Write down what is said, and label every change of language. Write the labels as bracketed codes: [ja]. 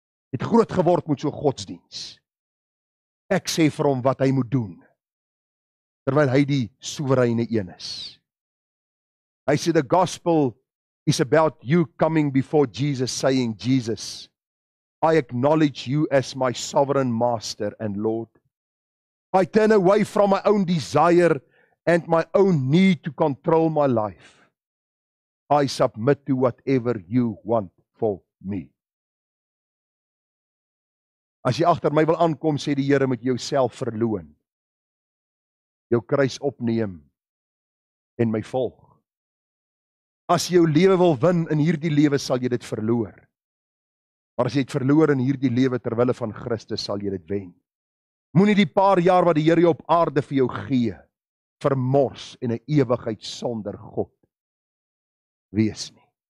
[af] Het groot geword met so godsdienst. Ek sê vir hom wat hy moet doen, terwyl hy die soewereine een is. Hy sê, [en] "The gospel is about you coming before Jesus saying, Jesus, I acknowledge you as my sovereign master and Lord. I turn away from my own desire and my own need to control my life. I submit to whatever you want for me." [af] As jy agter my wil aankom, sê die Here, moet jy jouself verloën. Jou kruis opneem en my volg. As jy jou lewe wil win in hierdie lewe, sal jy dit verloor. Maar as jy dit verloor in hierdie lewe ter wille van Christus, sal jy dit wen. Moenie die paar jaar wat die Here op aarde vir jou gee, vermors en 'n ewigheid sonder God wees nie.